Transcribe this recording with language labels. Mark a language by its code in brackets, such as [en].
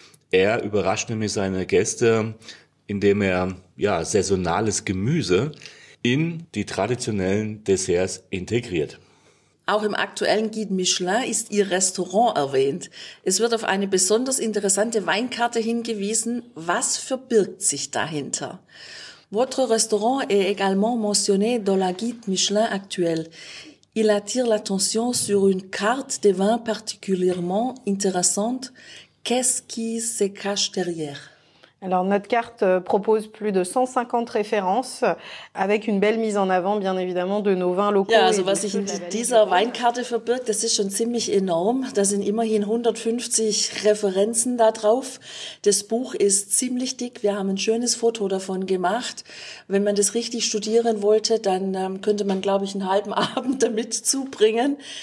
[de] Er überrascht nämlich seine Gäste, indem er ja saisonales Gemüse in die traditionellen Desserts integriert. Auch im aktuellen Guide Michelin ist Ihr Restaurant erwähnt. Es wird auf eine besonders interessante Weinkarte hingewiesen. Was verbirgt sich dahinter? [fr] Votre restaurant est également mentionné dans la Guide Michelin actuel. Il attire l'attention sur une carte de vin particulièrement intéressante. Qu'est-ce qui se cache derrière? Alors, notre carte propose plus de 150 références avec une belle mise en avant, bien évidemment, de nos vins locaux. [de] Ja, also was sich in dieser Weinkarte verbirgt, das ist schon ziemlich enorm. Da sind immerhin 150 Referenzen da drauf. Das Buch ist ziemlich dick. Wir haben ein schönes Foto davon gemacht. Wenn man das richtig studieren wollte, dann könnte man, glaube ich, einen halben Abend damit zubringen.